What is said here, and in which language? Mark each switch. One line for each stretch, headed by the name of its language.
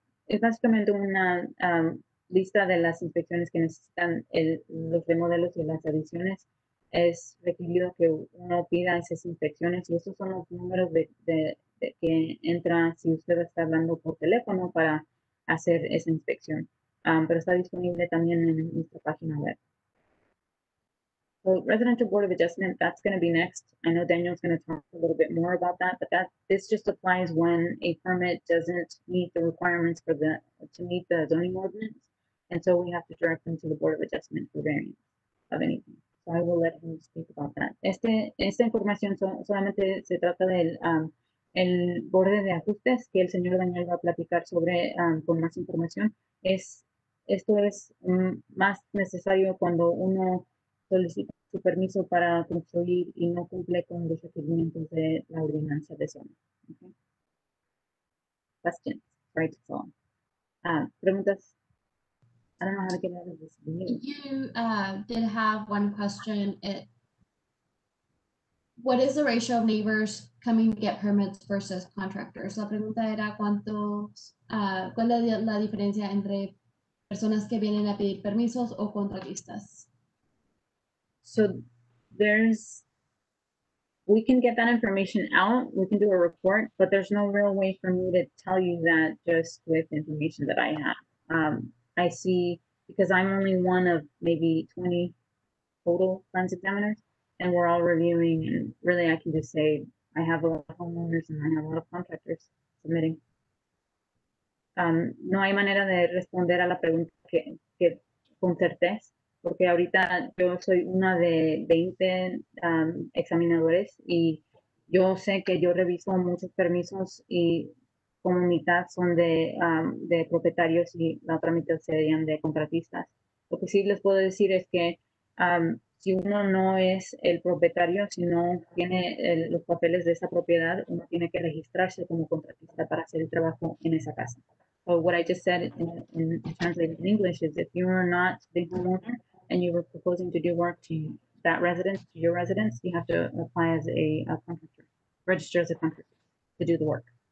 Spanish: Es básicamente una lista de las inspecciones que necesitan los remodelos y las adiciones. Es requerido que uno pida esas inspecciones y esos son los números de que entra si usted está hablando por teléfono para hacer esa inspección. Pero está disponible también en nuestra página web.
English: So, Residential Board of Adjustment, that's going to be next. I know Daniel's going to talk a little bit more about that, but this just applies when a permit doesn't meet the requirements to meet the zoning ordinance. And so we have to direct them to the Board of Adjustment for variance of anything. So I will let him speak about that.
Spanish: Esta información solamente se trata del el borde de ajustes que el señor Daniel va a platicar sobre con más información. Esto es más necesario cuando uno solicita su permiso para construir y no cumple con los requerimientos de la ordenanza de zona.
English: Okay. Questions, right? So,
Spanish: preguntas.
English: I don't know how to get out of this. You did have one question. What is the ratio of neighbors coming to get permits versus contractors?
Spanish: La pregunta era cuál es la diferencia entre personas que vienen a pedir permisos o contratistas.
English: So we can get that information out. We can do a report, but there's no real way for me to tell you that just with information that I have. I see, because I'm only one of maybe 20 total plans examiners, and we're all reviewing. And really, I can just say I have a lot of homeowners and I have a lot of contractors submitting.
Spanish: No hay manera de responder a la pregunta que con certeza, porque ahorita yo soy una de 20 examinadores y yo sé que yo reviso muchos permisos y como mitad son de propietarios y la otra mitad serían de contratistas. Lo que sí les puedo decir es que si uno no es el propietario, si no tiene los papeles de esa propiedad, uno tiene que registrarse como contratista para hacer el trabajo en esa casa.
English: So what I just said in translated in English is if you are not the homeowner and you were proposing to do work to that residence, to your residence, you have to apply as a contractor, register as a contractor to do the work.